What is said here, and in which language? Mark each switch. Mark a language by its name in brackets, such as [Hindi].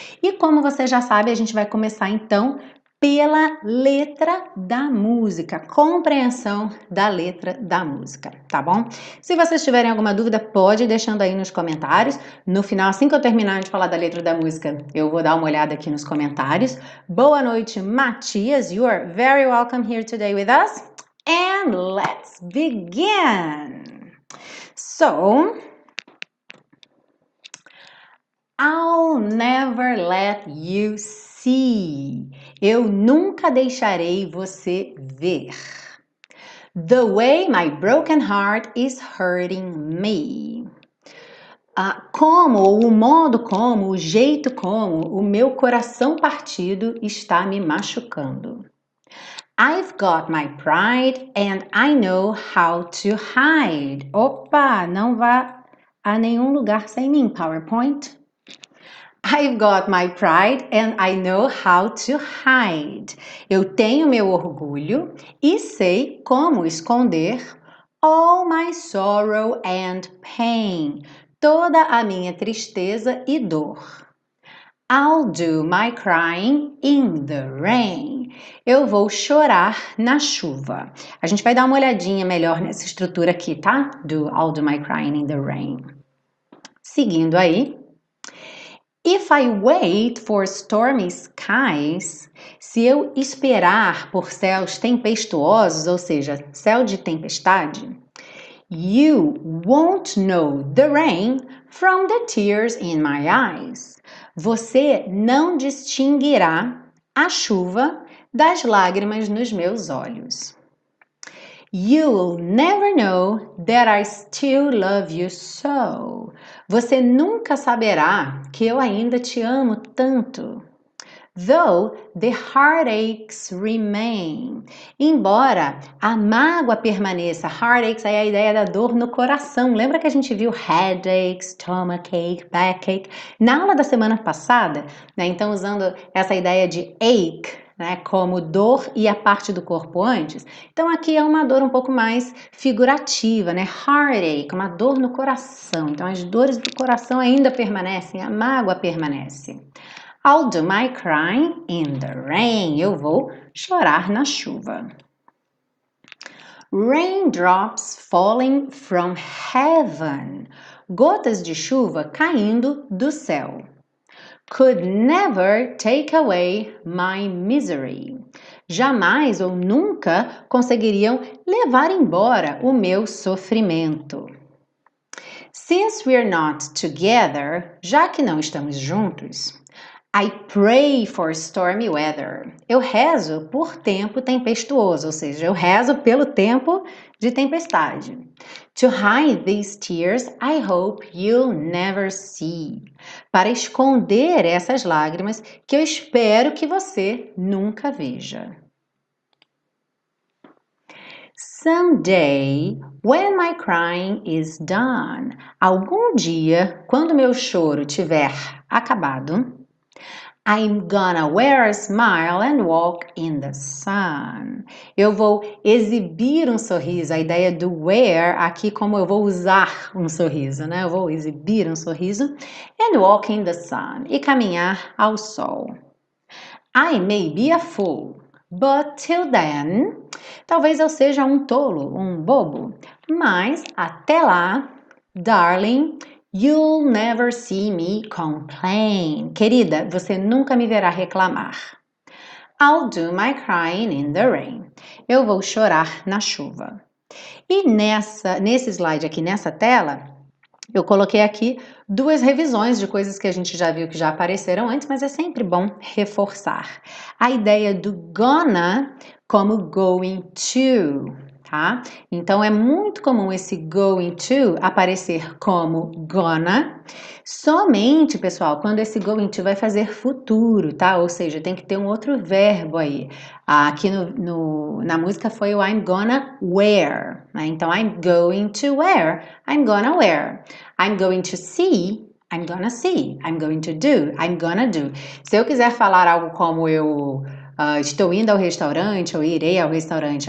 [Portuguese] E como você já sabe, a gente vai começar então pela letra da música, compreensão da letra da música, tá bom? Se vocês tiverem alguma dúvida, pode ir deixando aí nos comentários. No final, assim que eu terminar de falar da letra da música, eu vou dar uma olhada aqui nos comentários. Boa noite, Matias. [English] You are very welcome here today with us. And let's begin. So, I'll never let you see. [Portuguese] Eu nunca deixarei você ver. [English] The way my broken heart is hurting me. [Portuguese] Como, o modo como, o jeito como, o meu coração partido está me machucando. [English] I've got my pride and I know how to hide. [Portuguese] Opa, não vá a nenhum lugar sem mim, PowerPoint. [English] I've got my pride and I know how to hide. [Portuguese] Eu tenho meu orgulho e sei como esconder [English] all my sorrow and pain, [Portuguese] toda a minha tristeza e dor. [English] I'll do my crying in the rain. [Portuguese] Eu vou chorar na chuva. A gente vai dar uma olhadinha melhor nessa estrutura aqui, tá? [English] Do I'll do my crying in the rain. [Portuguese] Seguindo aí. [English] If I wait for stormy skies, [Portuguese] se eu esperar por céus tempestuosos, ou seja, céu de tempestade, [English] you won't know the rain from the tears in my eyes. [Portuguese] Você não distinguirá a chuva das lágrimas nos meus olhos. [English] You'll never know that I still love you so. [Portuguese] Você nunca saberá que eu ainda te amo tanto. [English] Though the heartaches remain. [Portuguese] Embora a mágoa permaneça. Heartaches é a ideia da dor no coração. Lembra que a gente viu headaches, stomachache, backache? Na aula da semana passada, né? Então, usando essa ideia de ache, né, como dor e a parte do corpo antes. Então aqui é uma dor um pouco mais figurativa, né? Heartache, uma dor no coração. Então as dores do coração ainda permanecem, a mágoa permanece. [English] I'll do my crying in the rain. [Portuguese] Eu vou chorar na chuva. [English] Raindrops falling from heaven. [Portuguese] Gotas de chuva caindo do céu. [English] Could never take away my misery. [Portuguese] Jamais ou nunca conseguiriam levar embora o meu sofrimento. [English] Since we're not together, [Portuguese] já que não estamos juntos, [English] I pray for stormy weather. [Portuguese] Eu rezo por tempo tempestuoso, ou seja, eu rezo pelo tempo de tempestade. [English] To hide these tears, I hope you'll never see. [Portuguese] Para esconder essas lágrimas que eu espero que você nunca veja. [English] Someday, when my crying is done, [Portuguese] algum dia, quando meu choro tiver acabado, [English] I'm gonna wear a smile and walk in the sun. [Portuguese] Eu vou exibir um sorriso. A ideia do wear aqui, como eu vou usar um sorriso, né? Eu vou exibir um sorriso [English] and walk in the sun [Portuguese] e caminhar ao sol. [English] I may be a fool, but till then, [Portuguese] talvez eu seja um tolo, um bobo. Mas até lá, darling, [English] You'll never see me complain. [Portuguese] Querida, você nunca me verá reclamar. [English] I'll do my crying in the rain. [Portuguese] Eu vou chorar na chuva. E nesse slide aqui, nessa tela, eu coloquei aqui duas revisões de coisas que a gente já viu que já apareceram antes, mas é sempre bom reforçar. A ideia do gonna como going to, tá? Então é muito comum esse going to aparecer como gonna, somente, pessoal, quando esse going to vai fazer futuro, tá? Ou seja, tem que ter um outro verbo aí. Aqui no, no, na música foi o [English] I'm gonna wear, [Portuguese] né? [English] Então I'm going to wear, I'm gonna wear. I'm going to see, I'm gonna see. I'm going to do, I'm gonna do. [Portuguese] Se eu quiser falar algo como eu. Estou indo ao restaurante, ou irei ao restaurante.